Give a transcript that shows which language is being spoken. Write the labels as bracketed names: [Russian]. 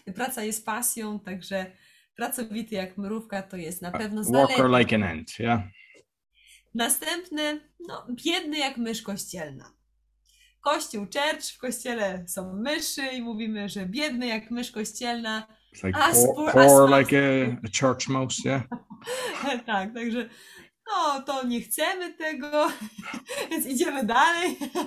[Polish] Praca jest pasją, także pracowity jak mrówka to jest na pewno zalety. [English] Worker like an ant, yeah. [Polish] Następny, no, biedny jak mysz kościelna. Kościół, church, w kościele są myszy i mówimy, że biedny jak mysz kościelna. [English] It's like poor like a church mouse, yeah. [Polish] Tak, także no to nie chcemy tego, więc idziemy dalej.